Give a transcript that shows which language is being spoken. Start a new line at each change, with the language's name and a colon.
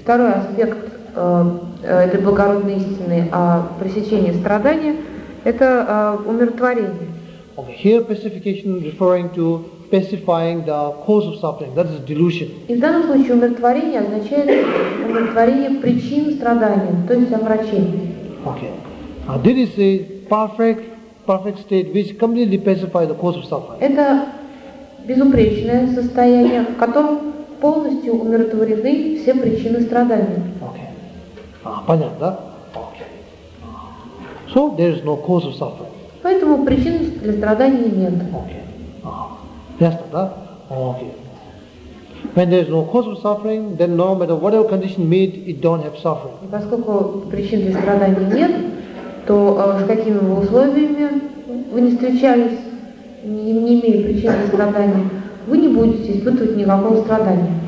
Russian: Второй аспект этой благородной истины о пресечении страдания – это умиротворение.
English: Okay. Here pacification referring to pacifying the cause of suffering. That is delusion.
Russian: И в данном случае умиротворение означает умиротворение причин страдания, то есть омрачение.
English: Okay. This is a perfect state which completely pacifies the cause of suffering.
Russian: Это безупречное состояние, в котором полностью умиротворены все причины страдания. Понятно, да?
English: Okay. So there is no cause of suffering.
Russian: Поэтому причин для страдания нет. Okay. Ясно, да? Okay.
English: When there is no cause of suffering, then no matter whatever condition meet, it don't have suffering.
Russian: И поскольку причин для страдания нет, то с какими бы условиями вы не встречались, не имея причин для страдания, вы не будете испытывать никакого страдания.